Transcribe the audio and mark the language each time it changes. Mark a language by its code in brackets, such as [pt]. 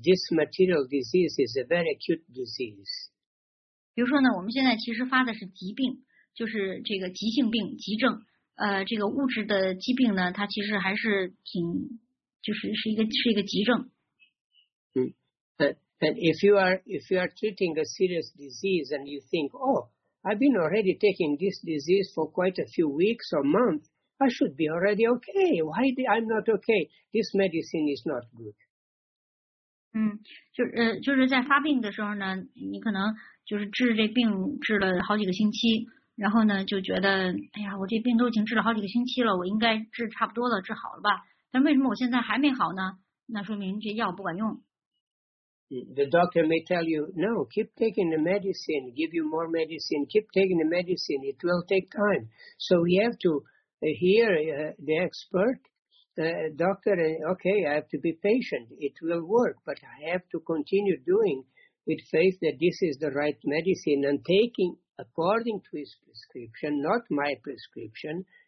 [en] This material disease is a very acute disease. [zh] 比如说呢，我们现在其实发的是疾病，就是这个急性病、急症。这个物质的疾病呢，它其实还是挺，就是是一个急症。 [en] And if you are treating a serious disease and you think, oh, I've been already taking this disease for quite a few weeks or months. I should be already okay. Why I'm not okay? This medicine is not good. [zh] 就是在发病的时候呢，你可能就是治这病治了好几个星期，然后呢就觉得，哎呀，我这病都已经治了好几个星期了，我应该治差不多了，治好了吧？但为什么我现在还没好呢？那说明这药不管用。 [en] The doctor may tell you, no, keep taking the medicine, give you more medicine, keep taking the medicine. It will take time. So we have to. The expert, doctor, okay, I have to be patient. It will work, but I have to continue doing with faith that this is the right medicine and taking according to his prescription, not my prescription.